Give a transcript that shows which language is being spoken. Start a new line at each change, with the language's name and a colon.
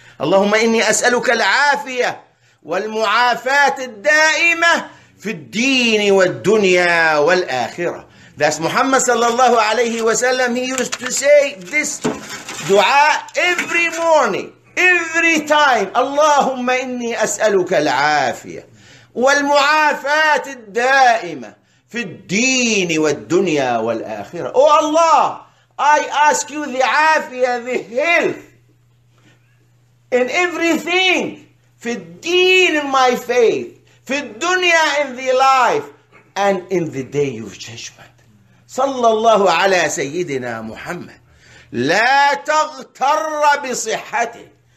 Arabic: اللهم إني أسألك العافية والمعافاة الدائمة في الدين والدنيا والآخرة.
English: That's Muhammad sallallahu alayhi wa sallam. He used to say this dua every morning, every time.
Arabic: اللهم إني أسألك العافية والمعافاة الدائمة في الدين والدنيا والآخرة.
English: Oh Allah, I ask you the afia, the health in everything,
Arabic: في الدين
English: in my faith,
Arabic: في الدنيا
English: in the life, and in the day of judgment.
Arabic: صلى الله على سيدنا محمد. لا تغتر بصحته.